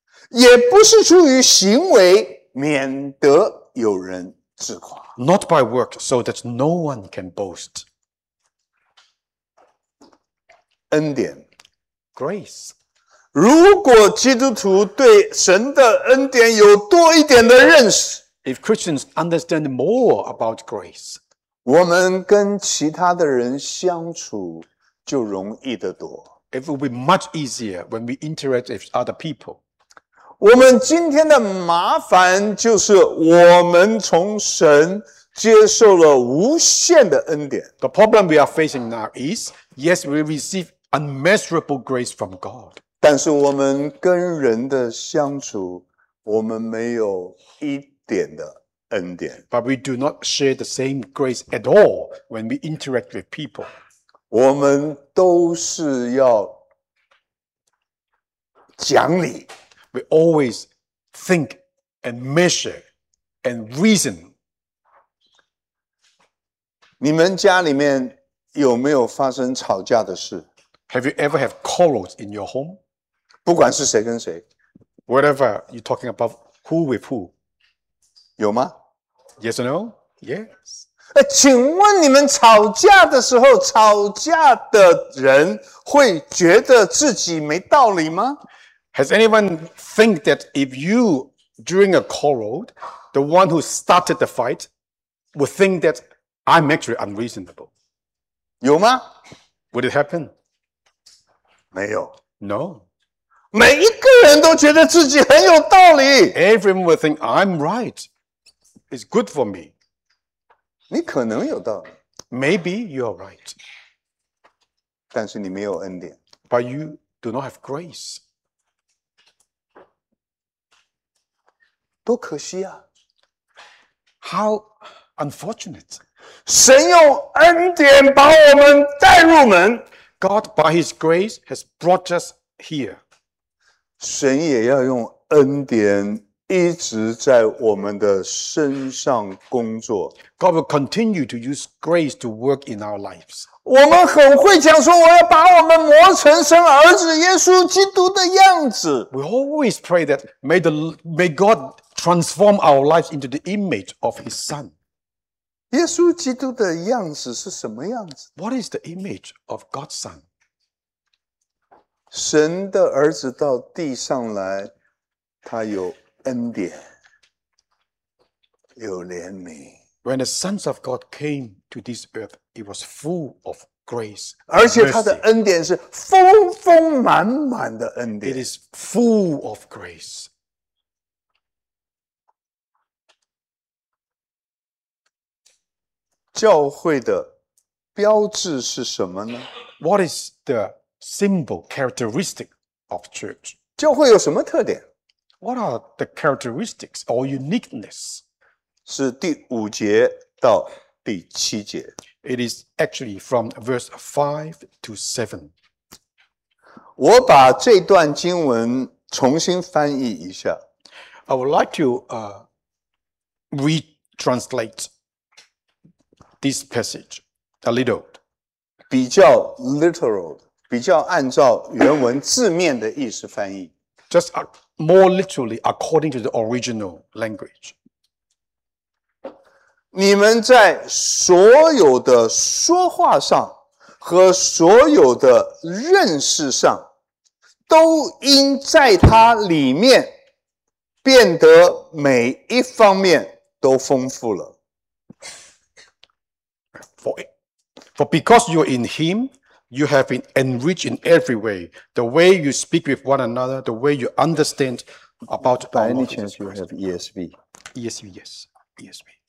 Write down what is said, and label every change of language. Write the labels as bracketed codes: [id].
[zh] 也不是出于行为，免得有人自夸。 [en] Not by work, so that no one can boast. [zh] 恩典 [en] ，grace。 [zh] 如果基督徒对神的恩典有多一点的认识 [en] ，If Christians understand more about grace。 [zh] 我们跟其他的人相处就容易得多。 [en] It will be much easier when we interact with other people. [zh] 我们今天的麻烦就是我们从神接受了无限的恩典。 [en] The problem we are facing now is, yes, we receive unmeasurable grace from God. [zh] 但是我们跟人的相处，我们没有一点的。 [en] But we do not share the same grace at all when we interact with people. [zh] 我们都是要讲理。 [en] We always think and measure and reason. [zh] 你们家里面有没有发生吵架的事？ [en] Have you ever had quarrels in your home? [zh] 不管是谁跟谁。 [en] Whatever you're talking about, who with who? [zh] 有吗？ [en] Yes or no? Yes. [zh] 请问你们吵架的时候，吵架的人会觉得自己没道理吗？ [en] Has anyone think that if you, during a quarrel, the one who started the fight, would think that I'm actually unreasonable? [zh] 有吗？ [en] Would it happen? [zh] 没有。 [en] No. [zh] 每一个人都觉得自己很有道理。 [en] Everyone would think I'm right. It's good for me. [zh] 你可能有道理。 [en] Maybe you are right. [zh] 但是你没有恩典。 [en] But you do not have grace. [zh] 多可惜啊。 [en] How unfortunate. [zh] 神用恩典把我们带入门。 [en] God by his grace has brought us here. [zh] 神也要用恩典一直在我们的身上工作。 [en] God will continue to use grace to work in our lives. [zh] 我们很会讲说我要把我们磨成神儿子耶稣基督的样子。 [en] We always pray that may God transform our lives into the image of his son. [zh] 耶稣基督的样子是什么样子？ [en] What is the image of God's son? [zh] 神的儿子到地上来，他有恩典，有怜悯。 [en] When the sons of God came to this earth, it was full of grace. [zh] 而且他的恩典是丰丰满满的恩典。 [en] It is full of grace. [zh] 教会的标志是什么呢？ [en] What is the symbol characteristic of church? [zh] 教会有什么特点？ [en] What are the characteristics or uniqueness? [zh] 是第五节到第七节。 [en] It is actually from verse 5 to 7. [zh] 我把这段经文重新翻译一下。 [en] I would like to retranslate this passage a little. [zh] 比较 literal, 比较按照原文字面的意思翻译。 [en] Just more literally according to the original language. [zh] 你们在所有的说话上和所有的认识上都应在它里面变得每一方面都丰富了。 [en] For because you're in him, You have been enriched in every way. The way you speak with one another, the way you understand about By any chance you have ESV? ESV, yes. ESV.